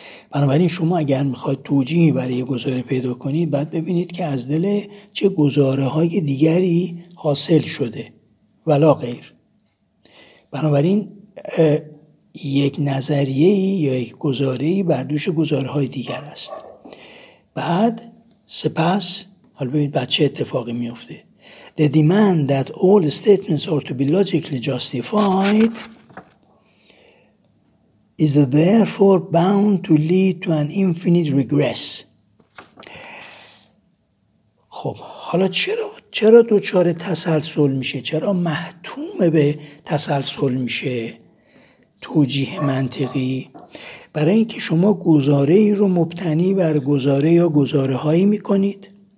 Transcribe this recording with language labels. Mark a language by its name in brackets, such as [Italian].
[Persian] بنابراین شما اگر میخواید توجیهی برای گزاره پیدا کنید، بعد ببینید که از دل چه گزاره های دیگری حاصل شده ولا غیر. بنابراین یک نظریه یا یک گزارهی بردوش گزاره های دیگر است. بعد سپس حالا ببینید بعد چه اتفاقی میفته. [English] The demand that all statements are to be logically justified is therefore bound to lead to an infinite regress. [Persian] خب حالا چرا دوچار تسلسل میشه؟ چرا محتوم به تسلسل میشه توجیه منطقی؟ برای اینکه شما گزاره ای رو مبتنی بر گزاره یا گزاره هایی میکنید